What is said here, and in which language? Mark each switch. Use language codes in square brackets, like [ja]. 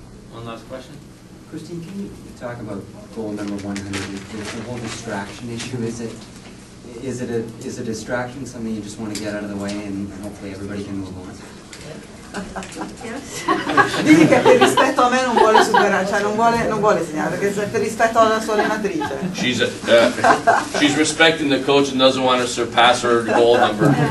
[en] One last question. Christine, can you talk about goal number 100? The whole distraction issue, is it a distraction, something you just want to get out of the way and hopefully everybody can move on? [it] Dici che per rispetto a me non vuole superare, cioè non vuole segnare, perché per rispetto alla sua allenatrice. [en] She's respecting the coach and doesn't want to surpass her goal number.